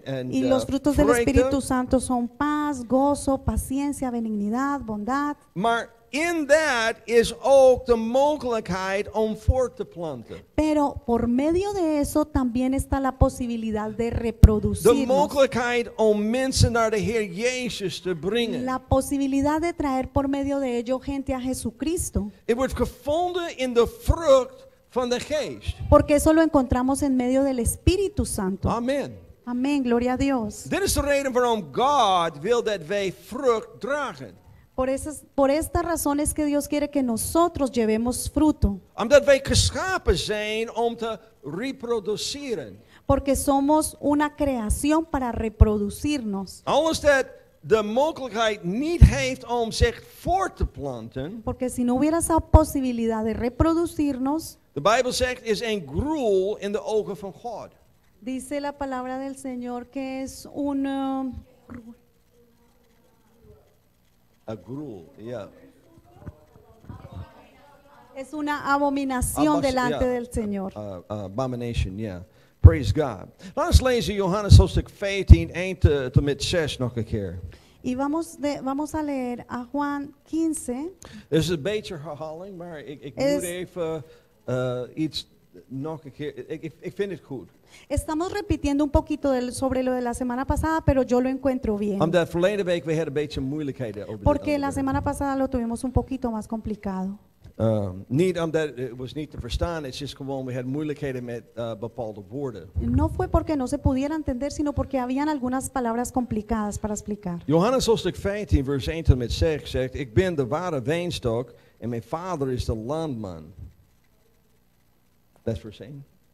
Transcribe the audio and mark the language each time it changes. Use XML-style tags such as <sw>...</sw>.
<es>Y los frutos del Espíritu Santo son paz, gozo, paciencia, benignidad, bondad.</es> <nl>Maar</nl> <en>in that</en> <nl>is ook de mogelijkheid om voort te planten.</nl> <es>Pero por medio de eso también está la posibilidad de reproducirnos.</es> <nl>De mogelijkheid om mensen naar de Heer Jezus te brengen.</nl> <es>La posibilidad de traer por medio de ello gente a Jesucristo.</es> <nl>It wordt gevonden in de vrucht. Van de geest.</nl> <es>Porque eso lo encontramos en medio del Espíritu Santo. Amén. Amén, gloria a Dios.</es> <nl>Dit is de reden waarom God wil dat wij vrucht dragen.</nl> <es>por estas razones que Dios quiere que nosotros llevemos fruto.</es> <nl>Omdat wij geschapen zijn om te reproduceren.</nl> <es>Porque somos una creación para reproducirnos.</es> <nl>Alles dat de mogelijkheid niet heeft om zich voort te planten.</nl> <es>Porque si no hubiera esa posibilidad de reproducirnos.</es> <nl>De Bijbel zegt is een gruwel in de ogen van God.</nl> <es>Dice la palabra del Señor que es un</es> <en>a gruel, yeah.</en> <es>Es una abominación delante del Señor.</es> <en>Abomination, yeah. Praise God.</en> <nl>Laten we lezen Johannes hoofdstuk 14, 1 tot met 6 nog een keer.</nl> <es>Y vamos a leer a Juan 15.</es> <nl>Dit is een beetje herhaling, maar ik moet even iets nog een keer. Ik vind het goed.</nl> <es>Estamos repitiendo un poquito sobre lo de la semana pasada, pero yo lo encuentro bien.</es> <nl>Omdat verleden week we had een beetje moeilijkheden over.</nl> <es>Porque la semana pasada lo tuvimos un poquito más complicado.</es> <nl>Niet omdat het was niet te verstaan, het is gewoon we had moeilijkheden met bepaalde woorden.</nl> <es>No fue porque no se pudiera entender, sino porque habían algunas palabras complicadas para explicar.</es> <nl>Johannes hoofdstuk 15, vers 1 tot met 6 zegt: ik ben de ware wijnstok en mijn vader is de landman. Dat is vers 1.</nl>